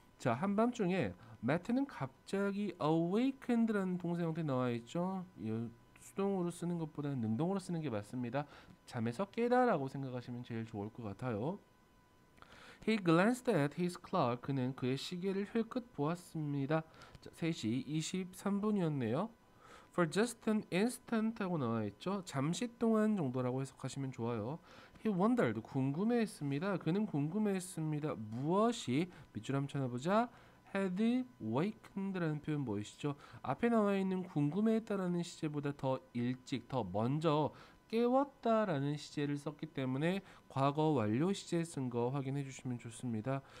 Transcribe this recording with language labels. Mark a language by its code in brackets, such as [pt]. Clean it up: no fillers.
[ko] 자, 한밤중에 매트는 갑자기 awakened라는 동사형태 나와 있죠. 수동으로 쓰는 것보다는 능동으로 쓰는 게 맞습니다. 잠에서 깨다라고 생각하시면 제일 좋을 것 같아요. [en] He glanced at his clock. [ko] 그는 그의 시계를 흘끗 보았습니다. 자, 3시 23분이었네요. [en] For just an instant [ko] 하고 나와 있죠. 잠시 동안 정도라고 해석하시면 좋아요. [en] He wondered. [ko] 궁금해했습니다. 그는 궁금해했습니다. 무엇이? 밑줄 한번 쳐나보자. [en] Had wakened [ko] 라는 표현 보이시죠? 앞에 나와 있는 궁금해했다라는 시제보다 더 일찍, 더 먼저 깨웠다라는 시제를 썼기 때문에 과거 완료 시제 쓴거 확인해 주시면 좋습니다.